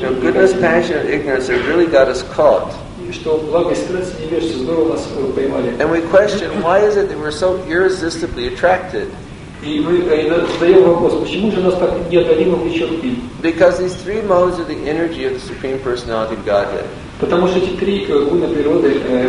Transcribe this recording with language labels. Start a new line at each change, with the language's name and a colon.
Russian: как
English: goodness, passion, and ignorance have really got us caught.
Russian: И что благость страсти невежества здорово нас поймали.
English: And we question, why is it that we're so irresistibly attracted?
Russian: И мы задаем вопрос, почему же нас так неотделимо влечет к ним?
English: Because these three modes are the energy of the Supreme Personality of Godhead.
Russian: Потому что эти три гуна природы,